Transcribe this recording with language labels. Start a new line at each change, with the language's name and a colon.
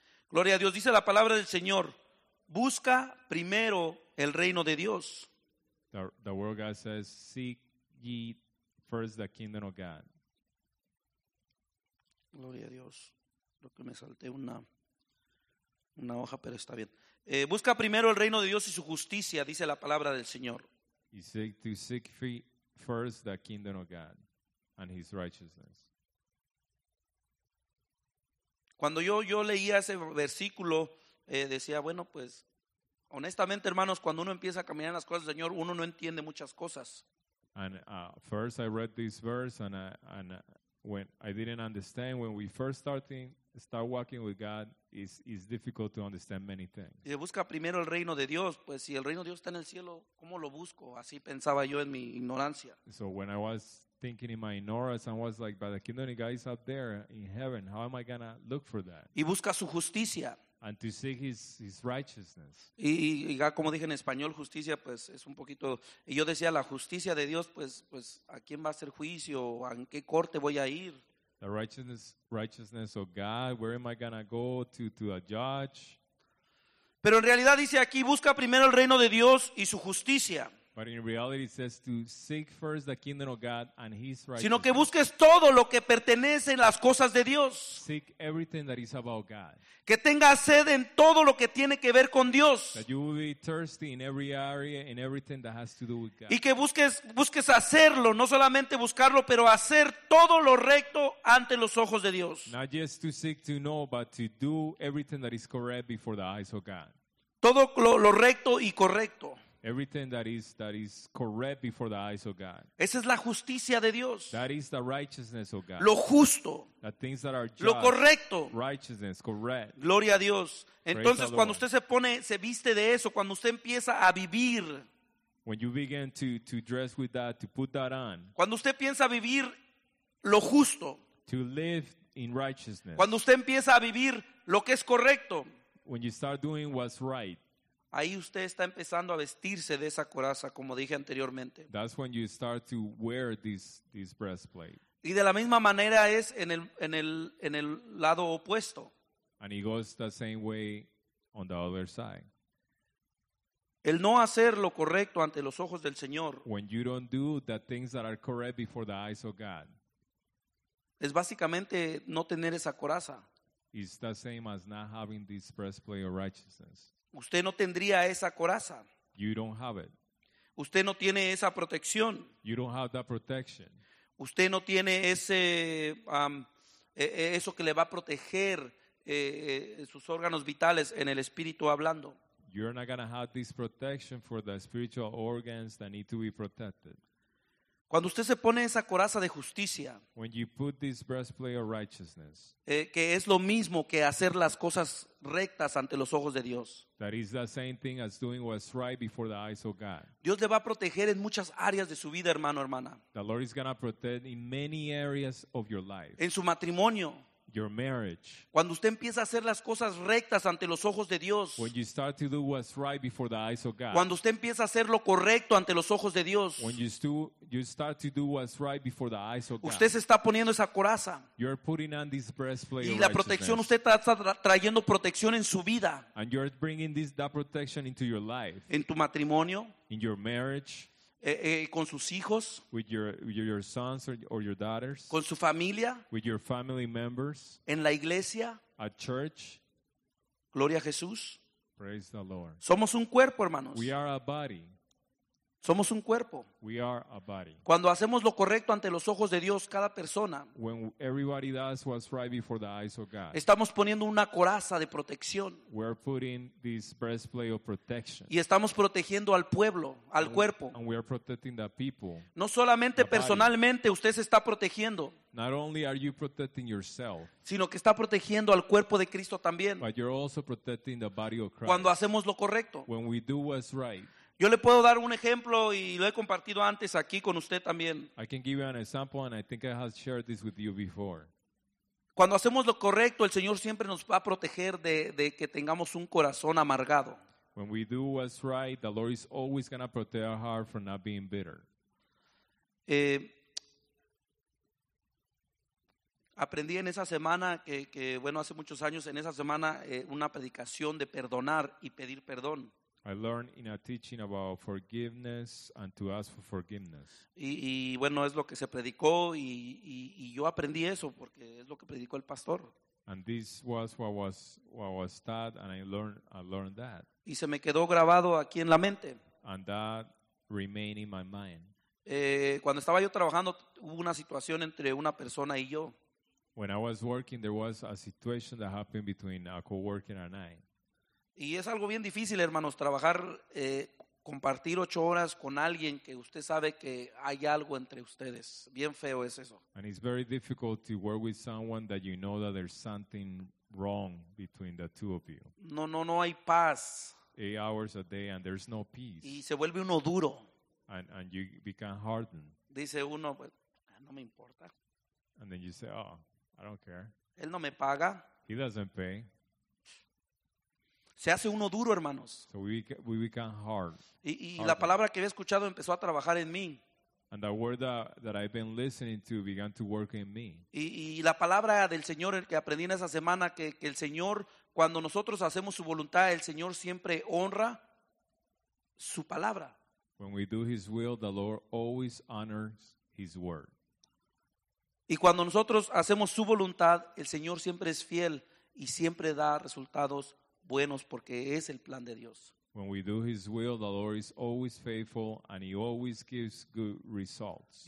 Spanish: Gloria a Dios, dice la palabra del Señor, busca primero el reino de Dios.
English: The word of God says, seek ye first the kingdom of God.
Spanish: Gloria a Dios. Creo que me salté una hoja, pero está bien. Busca primero el reino de Dios y su justicia, dice la palabra del Señor.
English: You seek to seek first the kingdom of God and his righteousness.
Spanish: Cuando yo leía ese versículo, decía, bueno, pues, honestamente, hermanos, cuando uno empieza a caminar en las cosas del Señor, uno no entiende muchas cosas.
English: And first I read this verse and when I didn't understand when we first start walking with God, it's difficult to understand many things.
Spanish: Y busca primero el reino de Dios, pues si el reino de Dios está en el cielo, ¿cómo lo busco? Así pensaba yo en mi ignorancia.
English: So when I was thinking in my ignorance, I was like, but the kingdom of God is up there in heaven. How am I going to look for that?
Spanish: Y busca su justicia.
English: And to seek his righteousness.
Spanish: Y ya como dije en español, justicia, pues es un poquito. Y yo decía, la justicia de Dios, pues ¿a quién va a hacer juicio? ¿A qué corte voy a ir?
English: The righteousness of God, where am I going to go to a judge?
Spanish: Pero en realidad dice aquí, busca primero el reino de Dios y su justicia.
English: But in reality it says to seek first the kingdom of God and his righteousness.
Spanish: Sino que busques todo lo que pertenece en las cosas de Dios.
English: Seek everything that is about God.
Spanish: Que tengas sed en todo lo que tiene que ver con Dios.
English: That you will be thirsty in every area in everything that has to do with God.
Spanish: Y que busques hacerlo, no solamente buscarlo, pero hacer todo lo recto ante los ojos de Dios.
English: Not just to seek to know, but to do everything that is correct before the eyes of God.
Spanish: Todo lo recto y correcto.
English: Everything that is correct before the eyes of God.
Spanish: Esa es la justicia de Dios.
English: That is the righteousness of God.
Spanish: Lo justo.
English: The things that are just.
Spanish: Lo correcto.
English: Righteousness, correct.
Spanish: Gloria a Dios. Entonces, cuando usted se viste de eso, cuando usted empieza a vivir.
English: When you begin to dress with that, to put that on.
Spanish: Cuando usted piensa vivir lo justo.
English: To live in righteousness.
Spanish: Cuando usted empieza a vivir lo que es correcto.
English: When you start doing what's right.
Spanish: Ahí usted está empezando a vestirse de esa coraza, como dije anteriormente.
English: That's when you start to wear this breastplate.
Spanish: Y de la misma manera es en el lado opuesto.
English: And it goes the same way on the other side.
Spanish: El no hacer lo correcto ante los ojos del Señor.
English: When you don't do the things that are correct before the eyes of God.
Spanish: Es básicamente no tener esa coraza.
English: It's the same as not having this breastplate of righteousness.
Spanish: Usted no tendría esa coraza.
English: You don't have it.
Spanish: Usted no tiene esa protección.
English: You don't have that protection.
Spanish: Usted no tiene ese eso que le va a proteger sus órganos vitales en el espíritu hablando.
English: You're not going to have this protection for the spiritual organs that need to be protected.
Spanish: Cuando usted se pone esa coraza de justicia,
English: when you put this breastplate of righteousness,
Spanish: que es lo mismo que hacer las cosas rectas ante los ojos de Dios.
English: That is the same thing as doing what's right before the eyes of God.
Spanish: Dios le va a proteger en muchas áreas de su vida, hermano, hermana.
English: The Lord is going to protect in many areas of your life.
Spanish: En su matrimonio.
English: Your marriage.
Spanish: Cuando usted empieza a hacer las cosas rectas ante los ojos de Dios.
English: When you start to do what's right before the eyes of God.
Spanish: Cuando usted empieza a hacer lo correcto ante los ojos de Dios.
English: When you start to do what's right before the eyes of God.
Spanish: Usted se está poniendo esa coraza.
English: You're putting on this breastplate.
Spanish: Y la protección, usted está trayendo protección en su vida.
English: And you're bringing that protection into your life.
Spanish: En tu matrimonio.
English: In your marriage.
Spanish: Con sus hijos,
English: with your sons or your daughters,
Spanish: con su familia,
English: with your family members,
Spanish: en la iglesia,
English: at church,
Spanish: gloria a Jesús,
English: praise the Lord.
Spanish: Somos un cuerpo, hermanos.
English: We are a body.
Spanish: Somos un cuerpo.
English: We are a body.
Spanish: Cuando hacemos lo correcto ante los ojos de Dios, cada persona,
English: when everybody does what's right before the eyes of God,
Spanish: estamos poniendo una coraza de protección.
English: We're putting this breastplate of protection.
Spanish: Y estamos protegiendo al pueblo, al cuerpo.
English: And we are protecting the people.
Spanish: No solamente personalmente usted se está protegiendo.
English: Not only are you protecting yourself,
Spanish: sino que está protegiendo al cuerpo de Cristo también.
English: But you're also protecting the body of Christ.
Spanish: Cuando hacemos lo correcto.
English: When we do what's right.
Spanish: Yo le puedo dar un ejemplo y lo he compartido antes aquí con usted también.
English: I can give you an example and I think I have shared this with you before.
Spanish: Cuando hacemos lo correcto, el Señor siempre nos va a proteger de que tengamos un corazón amargado.
English: When we do what's right, the Lord is always going to protect our heart from not being bitter.
Spanish: Aprendí en esa semana que bueno, hace muchos años, en esa semana una predicación de perdonar y pedir perdón.
English: I learned in a teaching about forgiveness and to ask for forgiveness.
Spanish: Y bueno, es lo que se predicó y yo aprendí eso porque es lo que predicó el pastor.
English: And this was what was taught, and I learned that.
Spanish: Y se me quedó grabado aquí en la mente.
English: And that remained in my mind.
Spanish: Cuando estaba yo trabajando, hubo una situación entre una persona y yo.
English: When I was working, there was a situation that happened between a coworker and I.
Spanish: Y es algo bien difícil, hermanos, trabajar, compartir 8 horas con alguien que usted sabe que hay algo entre ustedes. Bien feo es eso.
English: And it's very difficult to work with someone that you know that there's something wrong between the two of you.
Spanish: No hay paz.
English: 8 hours a day and there's no peace.
Spanish: Y se vuelve uno duro.
English: And you become hardened.
Spanish: Dice uno, pues, no me importa.
English: And then you say, oh, I don't care.
Spanish: Él no me paga.
English: He doesn't pay.
Spanish: Se hace uno duro, hermanos.
English: So we become hard.
Spanish: Y la palabra que había escuchado empezó a trabajar en mí.
English: And the word that I've been listening to began to work in me.
Spanish: Y la palabra del Señor que aprendí en esa semana, que el Señor, cuando nosotros hacemos su voluntad, el Señor siempre honra su palabra.
English: When we do his will, the Lord always honors his word.
Spanish: Y cuando nosotros hacemos su voluntad, el Señor siempre es fiel y siempre da resultados buenos, porque es el plan de Dios.
English: When we do his will, the Lord is always faithful and he always gives good results.